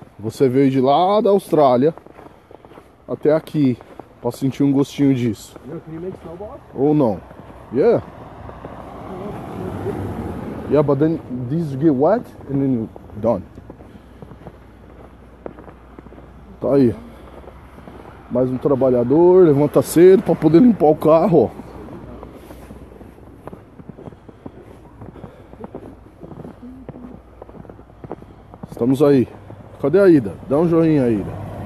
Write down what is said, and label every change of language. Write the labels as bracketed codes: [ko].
[pt] Você veio de lá da Austrália até aqui pra sentir um gostinho disso. [en] Can you make snowballs? Oh, no. Yeah. Yeah, but then these get wet and then you're done. [pt] Tá aí. Mais um trabalhador, levanta cedo pra poder limpar o carro, ó. Estamos aí. Cadê a Ida? Dá um joinha aí, Ida.